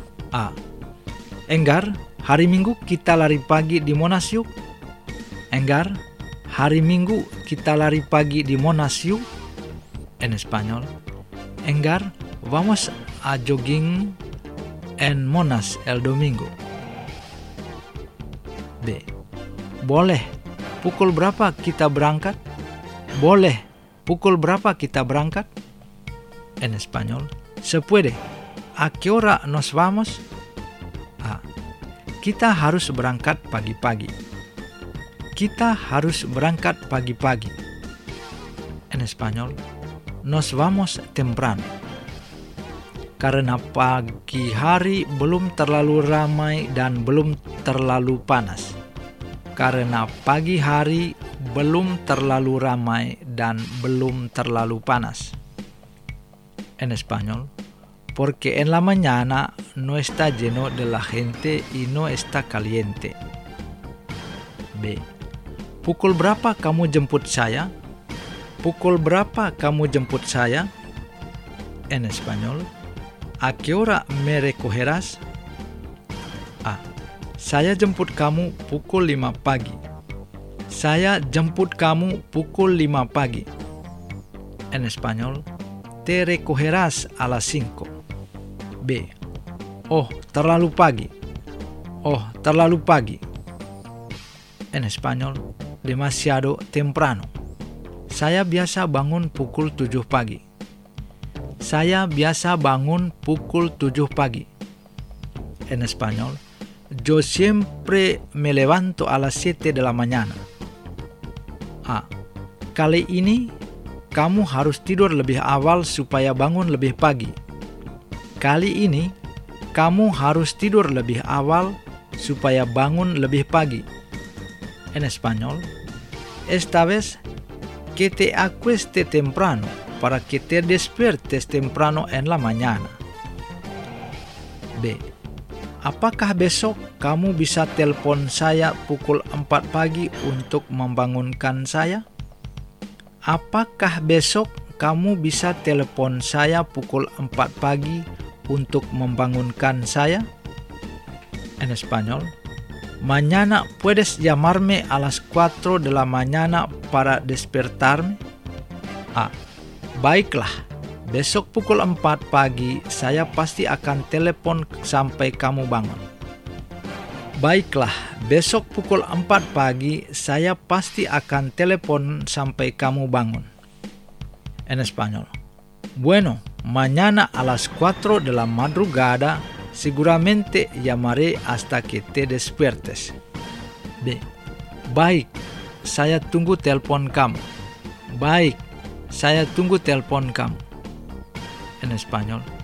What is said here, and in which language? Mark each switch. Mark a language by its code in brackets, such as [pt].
[id] A. Engar, hari Minggu kita lari pagi di Monas yuk? Engar, hari Minggu kita lari pagi di Monas yuk? [es] En español. Engar, vamos a jogging en Monas el domingo. B. [id] Boleh, pukul berapa kita berangkat? Boleh, pukul berapa kita berangkat? [es] En español. Se puede. ¿A qué hora nos vamos? A. [id] Kita harus berangkat pagi-pagi. Kita harus berangkat pagi-pagi. [es] En español. Nos vamos temprano. [id] Karena pagi hari belum terlalu ramai dan belum terlalu panas. Karena pagi hari belum terlalu ramai dan belum terlalu panas. [es] En español. Porque en la mañana no está lleno de la gente y no está caliente. B. [id] Pukul berapa kamu jemput saya? Pukul berapa kamu jemput saya? [es] En español. ¿A qué hora me recogerás? A. [id] Saya jemput kamu pukul 5 pagi. Saya jemput kamu pukul 5 pagi. [es] En español. Te recogerás a las 5. B. [id] Oh, terlalu pagi. Oh, terlalu pagi. [es] En español. Demasiado temprano. [id] Saya biasa bangun pukul 7 pagi. Saya biasa bangun pukul 7 pagi. [es] En español. Yo siempre me levanto a las 7 de la mañana. A. [id] Kali ini kamu harus tidur lebih awal supaya bangun lebih pagi. Kali ini kamu harus tidur lebih awal supaya bangun lebih pagi. [es] En español. Esta vez que te acueste temprano para que te despiertes temprano en la mañana. B. [id] Apakah besok kamu bisa telepon saya pukul 4 pagi untuk membangunkan saya? Apakah besok kamu bisa telepon saya pukul 4 pagi untuk membangunkan saya? [es] En español. Mañana puedes llamarme a las 4 de la mañana para despertarme? A. [id] Baiklah, besok pukul 4 pagi saya pasti akan telepon sampai kamu bangun. Baiklah, besok pukul 4 pagi saya pasti akan telepon sampai kamu bangun. [es] En español. Bueno, mañana a las 4 de la madrugada seguramente llamaré hasta que te despiertes. [id] B. Baik, saya tunggu telepon kamu. Baik, saya tunggu telepon kamu. [es] En español.